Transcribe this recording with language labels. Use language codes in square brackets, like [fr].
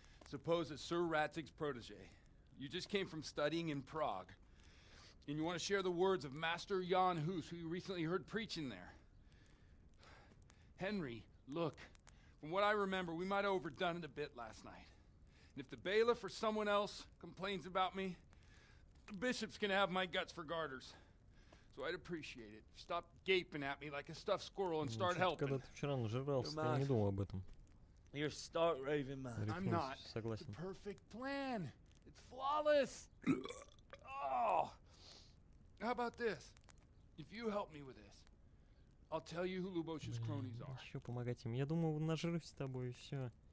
[en] Suppose that Sir Ratzig's protege, you just came from studying in Prague, and you want to share the words of Master Jan Hus, who you recently heard preaching there. Henry, look, from what I remember, we might have overdone it a bit last night. And if the bailiff or someone else complains about me, the bishop's gonna have my guts for garters. So I'd appreciate it. Stop gaping at me like a stuffed squirrel and start helping. [ru] Когда ты вчера нажрался, я не думал об этом. [en] You're stark raving mad. I'm not. It's the perfect plan. It's flawless. Oh. How about this? If you help me with this, I'll tell you who Luboš's cronies are. [ru] Еще помогать им. Я думал, нажрусь с тобой и все.